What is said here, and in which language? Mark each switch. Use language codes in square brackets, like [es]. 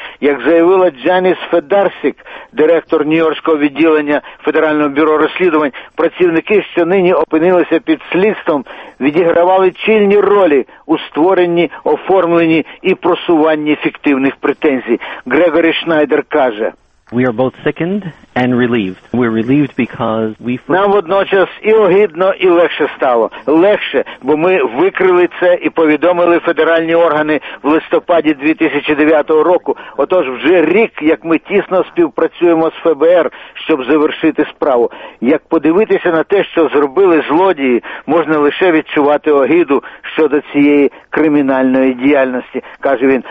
[uk] Як заявила Джаніс Федарсік, директор Нью-Йоркського відділення Федерального бюро розслідувань, працівники, що нині опинилися під слідством, відігравали чільні ролі у створенні, оформленні і просуванні фіктивних претензій. Грегорі Шнайдер каже: [en] We are both sickened and relieved. We're relieved because we... [uk] Нам водночас і огидно, і легше стало. Легше, бо ми викрили це і повідомили федеральні органи в листопаді 2009 року. Отож, вже рік, як ми тісно співпрацюємо з ФБР, щоб завершити справу. Як подивитися на те, що зробили злодії, можна лише відчувати огиду щодо цієї кримінальної діяльності, каже він.